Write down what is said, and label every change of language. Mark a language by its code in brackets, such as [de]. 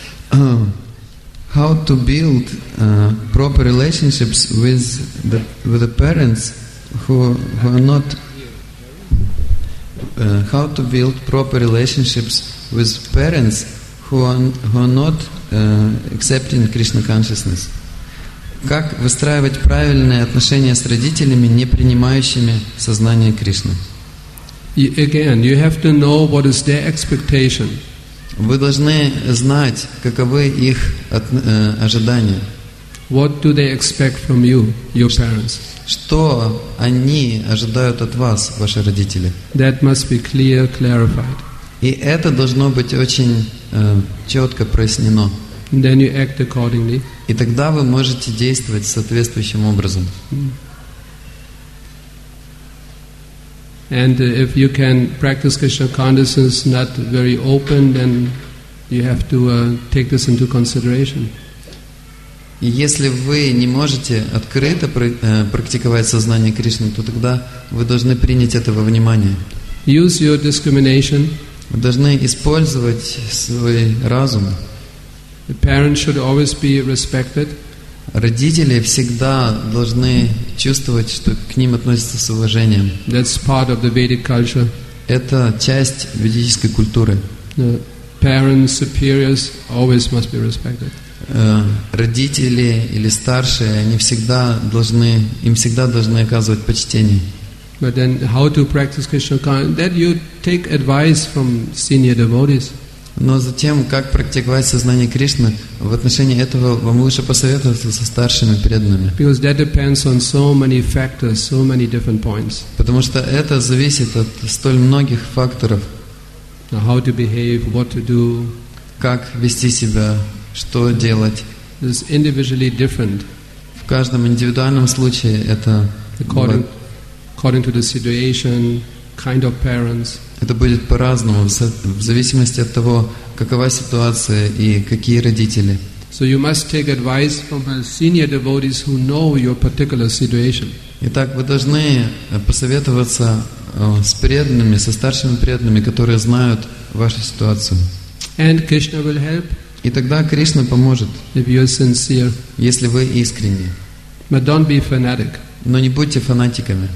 [en] How to build proper relationships with the parents who are not. How to build proper relationships with parents who are not accepting Krishna consciousness? [ru] Как выстраивать правильные отношения с родителями, не принимающими сознание Кришны? [en] Again, you have to know what is their expectation. [ru] Вы должны знать, каковы их ожидания. [en] What do they expect from you, your parents? [ru] Что они ожидают от вас, ваши родители? [en] That must be clear, clarified. [ru] И это должно быть очень четко прояснено. [en] Then you act accordingly. [ru] И тогда вы можете действовать соответствующим образом. [en] And if you can practice Krishna consciousness not very open, then you have to take this into consideration. [ru] Если вы не можете открыто практиковать сознание Кришны, то тогда вы должны принять это во внимание. [en] Use your discrimination. [ru] Вы должны использовать свой разум. [en] The parents should always be respected. [ru] Родители всегда должны чувствовать, что к ним относятся с уважением. [en] That's part of the Vedic culture. [ru] Это часть ведической культуры. [en] The parents, superiors always must be respected. [ru] Родители или старшие, они всегда должны, им всегда должны оказывать почтение. [en] But then how to practice Krishna consciousness? That you take advice from senior devotees. [ru] Но затем, как практиковать сознание Кришны, в отношении этого вам лучше посоветоваться со старшими преданными. [en] Because that depends on so many factors, so many different points. [ru] Потому что это зависит от столь многих факторов. [en] How to behave, what to do. [ru] Как вести себя, что делать. [en] Is individually different. [ru] В каждом индивидуальном случае это [en] according to the situation, kind of parents. [ru] Это будет по-разному, в зависимости от того, какова ситуация и какие родители. [en] So you must take advice from the senior devotees who know your particular situation. [ru] Итак, вы должны посоветоваться с преданными, со старшими преданными, которые знают вашу ситуацию. [en] And Krishna will help. [ru] И тогда Кришна поможет. [en] If you are sincere. [ru] Если вы искренни. [en] But don't be fanatic. [ru] Но не будьте фанатиками.